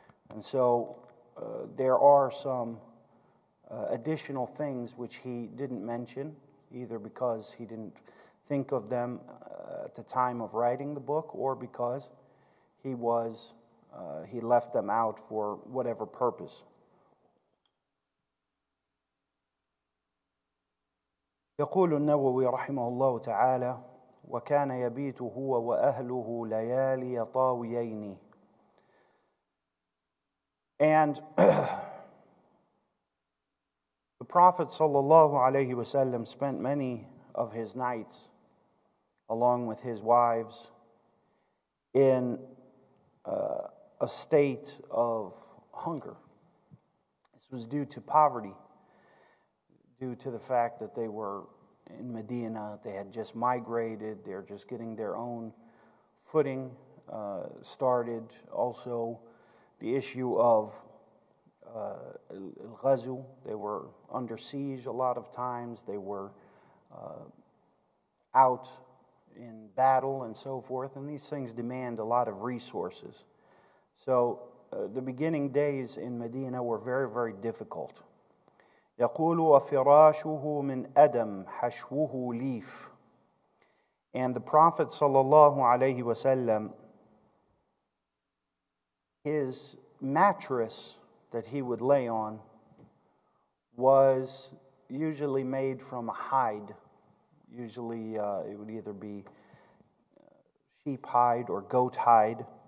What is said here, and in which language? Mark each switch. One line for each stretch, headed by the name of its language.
English: And so there are some additional things which he didn't mention, either because he didn't think of them at the time of writing the book or because he left them out for whatever purpose.
Arabic: يقول النووي رحمه الله تعالى وكان يبيت هو وأهله ليالي طاويين.
English: And the Prophet sallallahu alaihi wasallam spent many of his nights along with his wives in a state of hunger. This was due to poverty, due to the fact that they were in Medina, they had just migrated, they're just getting their own footing started. Also, the issue of al-ghazu, they were under siege a lot of times, they were out in battle and so forth, and these things demand a lot of resources. So the beginning days in Medina were very, very difficult.
Arabic: يقول وفراشه من أدم حشوه ليف.
English: And the Prophet
Arabic: صلى الله عليه وسلم,
English: his mattress that he would lay on was usually made from a hide. Usually it would either be sheep hide or goat hide.